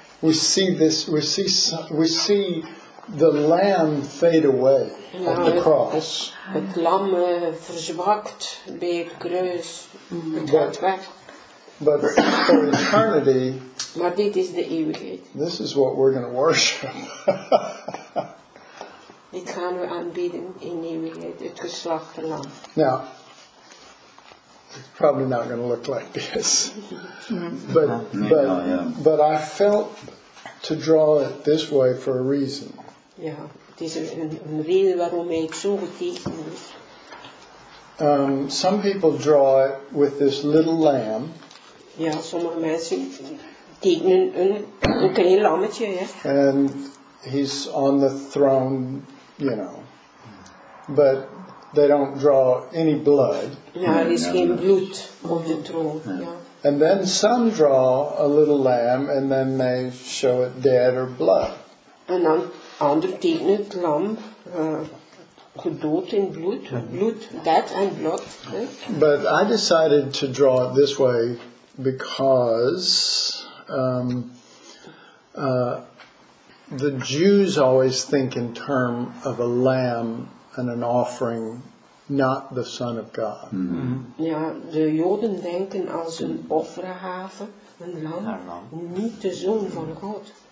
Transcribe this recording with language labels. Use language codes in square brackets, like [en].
[en] We see the lamb fade away at the cross. [nl] Het lam verzwakt bij het kruis. Het gaat weg. [en] But for eternity, [nl] maar dit is de eeuwigheid. [en] This is what we're going to worship. [nl] Dit gaan we aanbieden in eeuwigheid, het geslachte lam. [en] Now, it's probably not going to look like this. But I felt to draw it this way for a reason. [nl] Ja, het is een reden waarom ik zo getekend is. [en] Some people draw it with this little lamb. [nl] Ja, sommige mensen tekenen een klein lammetje, ja. [en] And he's on the throne, you know. But they don't draw any blood. [nl] Ja, er is geen bloed op de troon, ja. [en] And then some draw a little lamb and then they show it dead or blood. [nl] En dan anderen tekenen het lam gedood in bloed, bloed, [en] dead and blood. But I decided to draw it this way because the Jews always think in term of a lamb and an offering, not the Son of God. Mm-hmm. [nl] Ja, de Joden denken als een offerhaven, een lam, niet de Zoon van God.